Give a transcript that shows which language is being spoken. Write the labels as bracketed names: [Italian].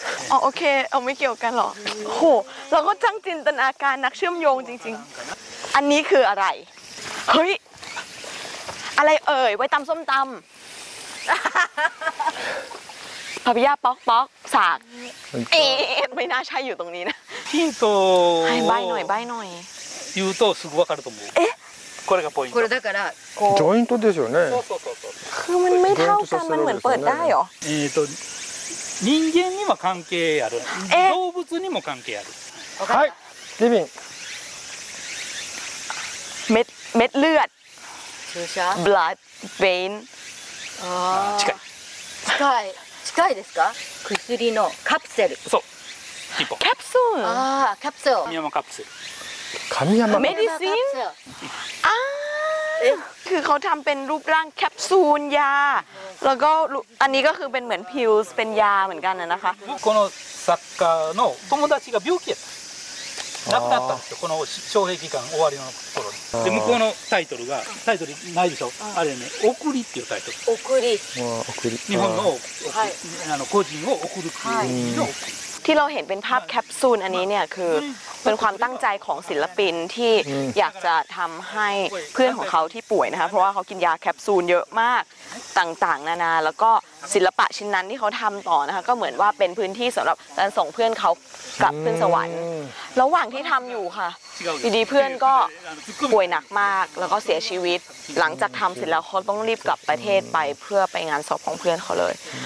[Thai] อ๋อโอเคเอาไม่เกี่ยวกันหรอโหเราก็ช่างจินตนาการนักเชื่อมโยงจริงๆอันนี้คืออะไรเฮ้ยอะไรเอ่ยไว้ตำส้มตำพาพิยาป๊อกป๊อกสากเอ๊ะไม่น่าใช่อยู่ตรงนี้นะ [Japanese] ヒント [Thai] ให้ใบหน่อยใบหน่อย [Japanese] 言うとすぐ分かると思うえこれがポイントこれだからこうジョイントですよね [Thai] คือมันไม่เท่ากันมันเหมือนเปิดได้หรอ [Japanese] と人間には関係ある動物にも関係あるはいリビン [Thai] เม็ดเลือด [English] blood vein [Japanese] 近い近いですか薬のカプセルそうキャプソンキャプソン神山カプセル神山 [Thai] メディシンคือเขาทำเป็นรูปร่างแคปซูลยาแล้วก็อันนี้ก็คือเป็นเหมือนพิลส์เป็นยาเหมือนกันนะคะ [Japanese] この作家の友達が病気やった亡くなったんですよこの招聘期間終わりの頃で向こうのタイトルがタイトルないでしょあれね送りっていうタイトル送り送り日本の個人を送るっていう意味の送り [Thai] ที่เราเห็นเป็นภาพแคปซูลอันนี้เนี่ยคือเป็นความตั้งใจของศิลปินที่อยากจะทำให้เพื่อนของเขาที่ป่วยนะคะเพราะว่าเขากินยาแคปซูลเยอะมากต่างๆนานาแล้วก็ศิลปะชิ้นนั้นที่เขาทำต่อนะคะก็เหมือนว่าเป็นพื้นที่สำหรับการส่งเพื่อนเขากลับขึ้นสวรรค์ระหว่างที่ทำอยู่ค่ะดีๆเพื่อนก็ป่วยหนักมากแล้วก็เสียชีวิตหลังจากทำเสร็จแล้วเขาต้องรีบกลับประเทศไปเพื่อไปงานศพของเพื่อนเขาเลย